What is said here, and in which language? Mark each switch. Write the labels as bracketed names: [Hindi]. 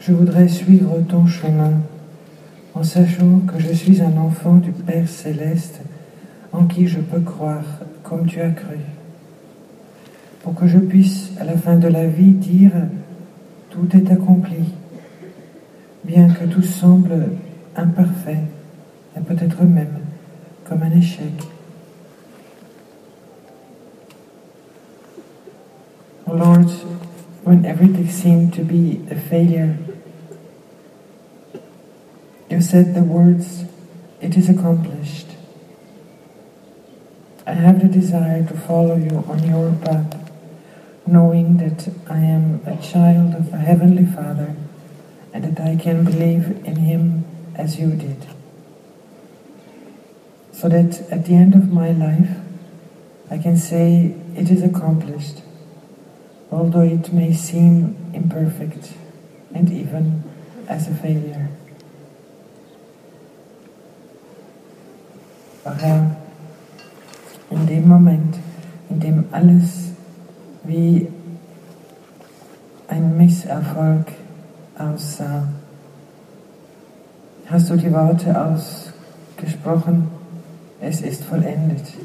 [French] Je voudrais suivre ton chemin en sachant que je suis un enfant du Père Céleste en qui je peux croire comme tu as cru. Pour que je puisse, à la fin de la vie, dire « Tout est accompli », bien que tout semble imparfait et peut-être même comme un échec. [English] Lord, when everything seemed to be a failure, you said the words, "It is accomplished." I have the desire to follow you on your path, knowing that I am a child of the Heavenly Father and that I can believe in Him as you did. So that at the end of my life, I can say, "It is accomplished." although it may seem imperfect and even as a failure. [German] Daher, in dem Moment, in dem alles wie ein Misserfolg aussah, hast du die Worte ausgesprochen, es ist vollendet.